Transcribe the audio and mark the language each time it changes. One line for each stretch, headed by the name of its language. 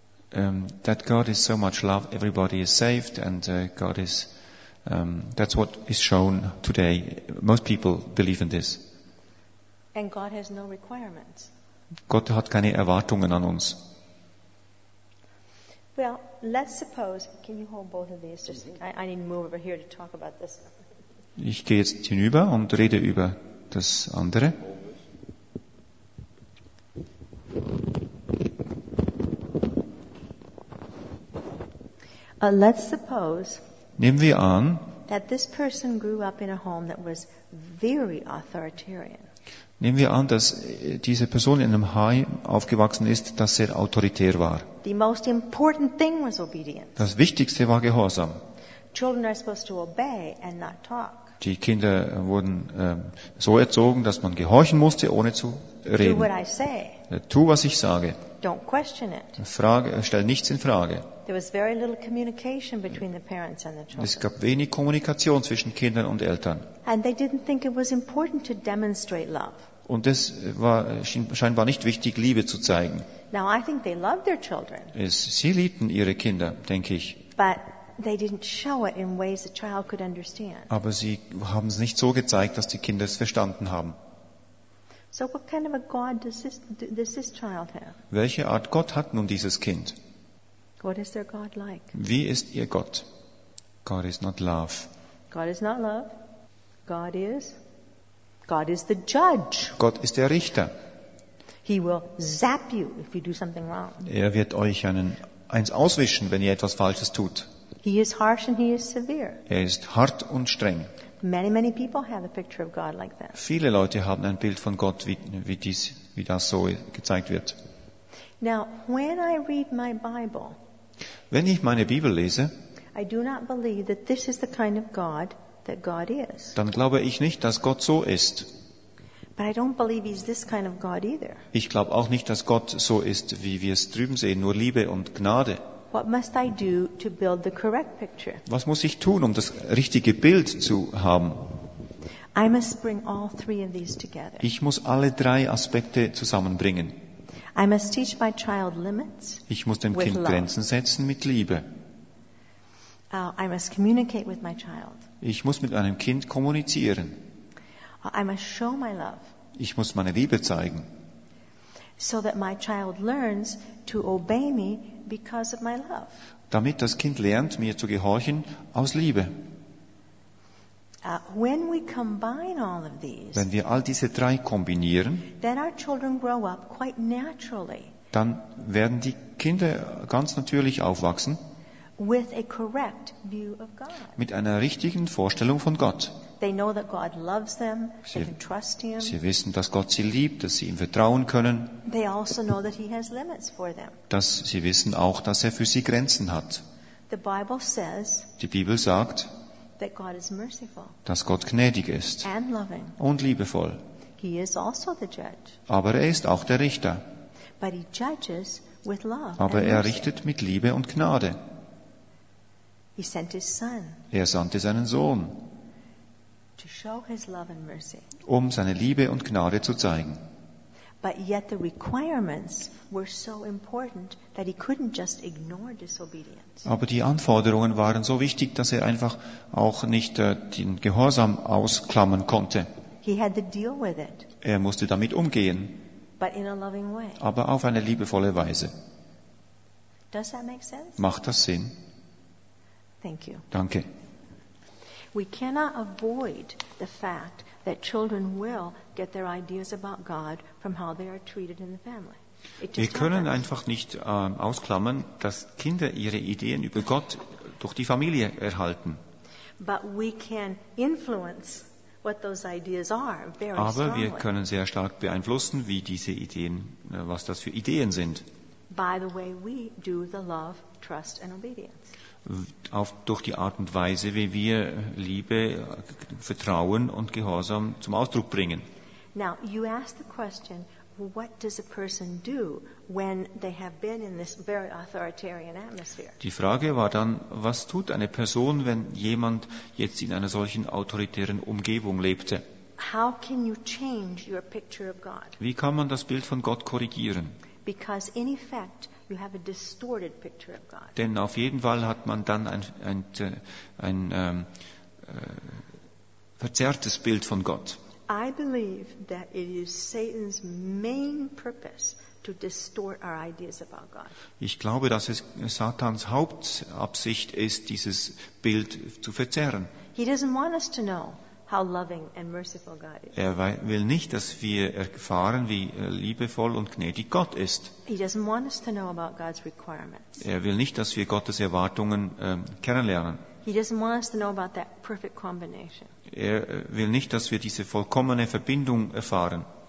English: That God is so much love, everybody is saved, and God is that's what is shown today. Most people believe in this. And God has no requirements.
German: Gott hat keine Erwartungen an uns.
English: Well, let's suppose. Can you hold both of these? Just, I need to move over here to talk about this.
German: Ich gehe jetzt hinüber und rede über das andere.
English: Let's suppose.
German: Nehmen wir an.
English: That this person grew up in a home that was very authoritarian.
German: Nehmen wir an, dass diese Person in einem Heim aufgewachsen ist, das sehr autoritär war.
English: The most important thing was obedience.
German: Das Wichtigste war Gehorsam.
English: Children are supposed to obey and not talk.
German: Die Kinder wurden so erzogen, dass man gehorchen musste, ohne zu reden.
English: Do what I say.
German: Tu, was ich sage.
English: Don't question it.
German: Stell nichts in Frage.
English: There was very little communication between the parents and the children.
German: Es gab wenig Kommunikation zwischen Kindern und Eltern.
English: And they didn't think it was important to demonstrate love.
German: Und es war scheinbar nicht wichtig, Liebe zu zeigen.
English: Now I think they loved their children.
German: Sie liebten ihre Kinder, denke ich.
English: But they didn't show it in ways the child could understand.
German: Aber sie haben es nicht so gezeigt, dass die Kinder es verstanden haben.
English: So what kind of a God does this child have?
German: Welche Art Gott hat nun dieses Kind?
English: What is their God like?
German: Wie ist ihr Gott?
English: God is not love. God is not love. God is the judge.
German: Gott ist der Richter.
English: He will zap you if you do something wrong.
German: Er wird euch eins auswischen, wenn ihr etwas Falsches tut.
English: He is harsh and he is severe.
German: Er ist hart und streng.
English: Many, many people have a picture of God like that.
German: Viele Leute haben ein Bild von Gott, wie das so gezeigt wird.
English: Now, when I read my Bible,
German: wenn ich meine Bibel lese,
English: I do not believe that this is the kind of God that God is.
German: Dann glaube ich nicht, dass Gott so ist.
English: But I don't believe he's this kind of God either.
German: Ich glaube auch nicht, dass Gott so ist, wie wir es drüben sehen, nur Liebe und Gnade.
English: What must I do to build the correct picture?
German: Was muss ich tun, um das richtige Bild zu haben?
English: I must bring all three of these together.
German: Ich muss alle drei Aspekte zusammenbringen.
English: I must teach my child limits.
German: Ich muss dem Kind Grenzen setzen mit Liebe.
English: I must communicate with my child.
German: Ich muss mit einem Kind kommunizieren.
English: I must show my love.
German: Ich muss meine Liebe zeigen.
English: So that my child learns to obey me because of my love.
German: Damit das Kind lernt, mir zu gehorchen aus Liebe.
English: When we combine all of these,
German: wenn wir all diese drei kombinieren,
English: then our children grow up quite naturally.
German: Dann werden die Kinder ganz natürlich aufwachsen.
English: With a correct view of God.
German: Mit einer richtigen Vorstellung von Gott.
English: They know that God loves them. They can trust him.
German: Sie wissen, dass Gott sie liebt, dass sie ihm vertrauen können.
English: They also know that he has limits for them.
German: Dass sie wissen auch, dass er für sie Grenzen hat.
English: The Bible says,
German: die Bibel sagt,
English: that God is merciful,
German: dass Gott gnädig ist
English: and loving.
German: Und liebevoll.
English: He is also the judge.
German: Aber er ist auch der Richter.
English: But he judges with love.
German: Aber er richtet mit Liebe und Gnade.
English: He sent his son.
German: Er sandte seinen Sohn.
English: To show his love and mercy.
German: Um seine Liebe und Gnade zu zeigen.
English: But yet the requirements were so important that he couldn't just ignore disobedience.
German: Aber die Anforderungen waren so wichtig, dass er einfach auch nicht den Gehorsam ausklammern konnte.
English: He had to deal with it.
German: Er musste damit umgehen.
English: But in a loving way.
German: Aber auf eine liebevolle Weise.
English: Does that make sense?
German: Macht das Sinn?
English: Thank you.
German: Danke.
English: We cannot avoid the fact that children will get their ideas about God from how they are treated in the family.
German: Wir können einfach nicht ausklammern, dass Kinder ihre Ideen über Gott durch die Familie erhalten.
English: But we can influence what those ideas are very strongly.
German: Aber wir können sehr stark beeinflussen, wie diese Ideen, was das für Ideen sind.
English: By the way, we do the love, trust and obedience.
German: Durch die Art und Weise, wie wir Liebe, Vertrauen und Gehorsam zum Ausdruck bringen.
English: Now you ask the question, what does a person do when they have been in this very authoritarian atmosphere?
German: Die Frage war dann, was tut eine Person, wenn jemand jetzt in einer solchen autoritären Umgebung lebte?
English: How can you change your picture of God?
German: Wie kann man das Bild von Gott korrigieren?
English: Because in effect you have a distorted picture of God.
German: Denn auf jeden Fall hat man dann ein verzerrtes Bild von Gott.
English: I believe that it is Satan's main purpose to distort our ideas about God.
German: Ich glaube, dass es Satans Hauptabsicht ist, dieses Bild zu verzerren.
English: He doesn't want us to know how loving and merciful God is.
German: Er will nicht, dass wir erfahren, wie liebevoll und gnädig Gott ist.
English: He doesn't want us to know about God's requirements.
German: Er will nicht, dass wir Gottes Erwartungen kennenlernen.
English: He doesn't want us to know about that perfect combination.
German: Er will nicht, dass wir diese vollkommene Verbindung erfahren.